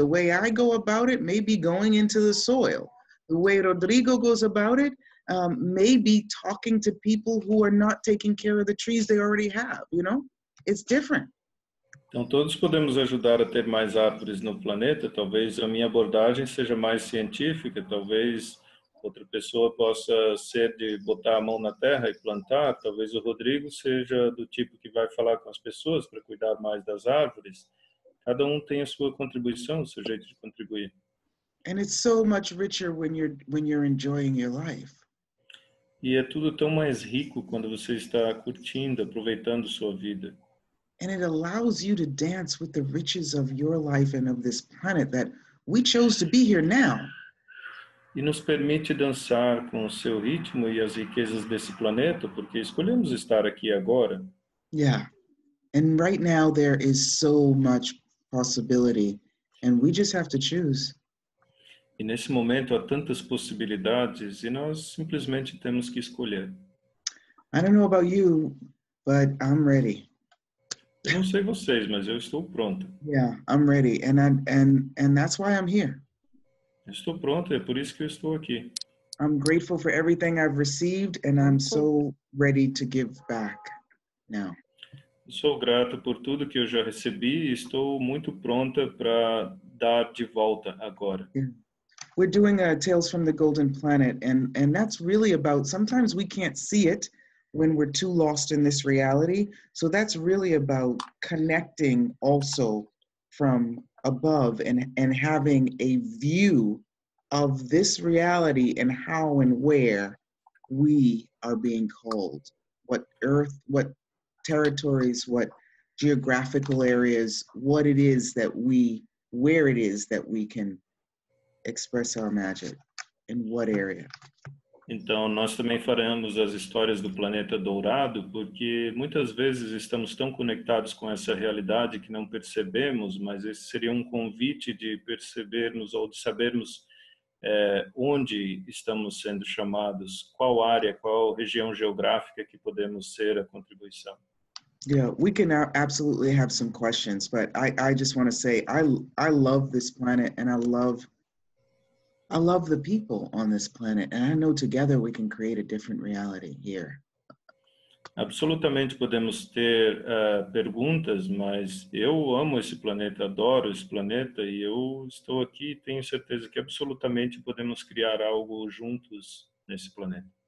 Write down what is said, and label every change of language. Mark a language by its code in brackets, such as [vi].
[en] The way I go about it may be going into the soil. The way Rodrigo goes about it, maybe talking to people who are not taking care of the trees they already have, you know? It's different. [pt] Então todos podemos ajudar a ter mais árvores no planeta. Talvez a minha abordagem seja mais científica. Talvez outra pessoa possa ser de botar a mão na terra e plantar. Talvez o Rodrigo seja do tipo que vai falar com as pessoas para cuidar mais das árvores. Cada um tem a sua contribuição, o seu jeito de contribuir. [en] And it's so much richer when you're enjoying your life. [pt] E é tudo tão mais rico quando você está curtindo, aproveitando sua vida. [en] And it allows you to dance with the riches of your life and of this planet that we chose to be here now. [pt] E nos permite dançar com o seu ritmo e as riquezas desse planeta porque escolhemos estar aqui agora. [en] Yeah. And right now there is so much possibility and we just have to choose. [pt] E nesse momento há tantas possibilidades e nós simplesmente temos que escolher. [en] I don't know about you, but I'm ready. [pt] Eu não sei vocês, mas eu estou pronto. [en] Yeah, I'm ready and that's why I'm here. [pt] Eu estou pronto, é por isso que eu estou aqui. [en] I'm grateful for everything I've received and I'm so ready to give back now. [pt] Eu sou grato por tudo que eu já recebi e estou muito pronta para dar de volta agora. [en] Yeah. We're doing a Tales from the Golden Planet, and that's really about, sometimes we can't see it when we're too lost in this reality, so that's really about connecting also from above and having a view of this reality and how and where we are being called, what earth, what territories, what geographical areas, what it is that we, where it is that we can express our magic in what area. [pt] Então nós também faremos as histórias do planeta dourado porque muitas vezes estamos tão conectados com essa realidade que não percebemos, mas esse seria um convite de percebermos ou de sabermos onde estamos sendo chamados, qual área, qual região geográfica que podemos ser a contribuição. [en] Yeah, we can absolutely have some questions, but I just want to say I love this planet and I love I love the people on this planet, and I know together we can create a different reality here. [pt] Absolutamente podemos ter perguntas, mas eu amo esse planeta, adoro esse planeta, e eu estou aqui e tenho certeza que absolutamente podemos criar algo juntos nesse planeta.